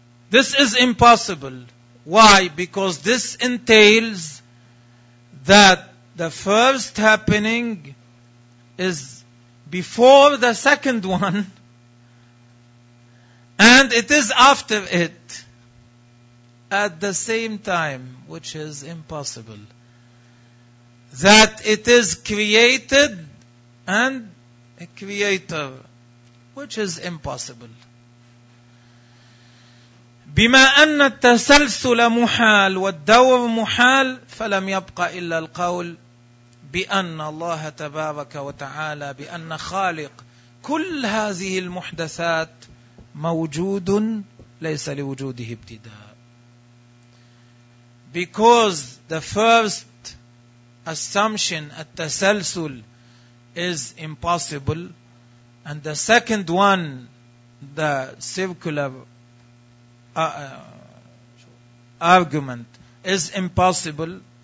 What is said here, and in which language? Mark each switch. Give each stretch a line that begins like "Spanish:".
English: This is impossible. Why? Because this entails that the first happening is before the second one, and it is after it at the same time, which is impossible. That it is created and a creator, which is impossible.
Arabic: بما أن التسلسل محال والدور محال فلم يبقى إلا القول بأن الله تبارك وتعالى بأن خالق كل هذه المحدثات موجود ليس لوجوده ابتداء.
English: Because the first assumption, التسلسل, is impossible, and the second one, the circular argument, is impossible